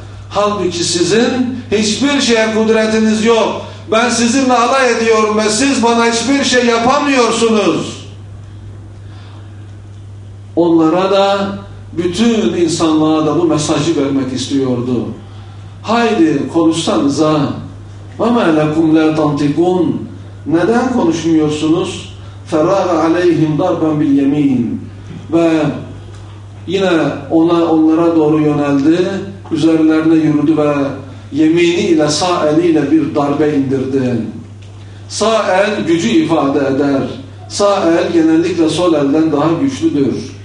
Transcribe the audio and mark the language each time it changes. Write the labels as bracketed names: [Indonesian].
[Turkish] Halbuki sizin hiçbir şeye kudretiniz yok. Ben sizinle alay ediyorum ve siz bana hiçbir şey yapamıyorsunuz. Onlara da, bütün insanlığa da bu mesajı vermek istiyordu. Haydi konuşsanıza. [Arabic] وَمَا لَكُمْ لَا تَنْتِقُونَ [Turkish] Neden konuşmuyorsunuz? [Arabic] فَرَاغَ عَلَيْهِمْ دَرْبًا بِالْيَم۪ينَ [Turkish] Ve yine onlara doğru yöneldi, üzerlerine yürüdü ve yeminiyle, sağ eliyle bir darbe indirdi. Sağ el gücü ifade eder. Sağ el genellikle sol elden daha güçlüdür.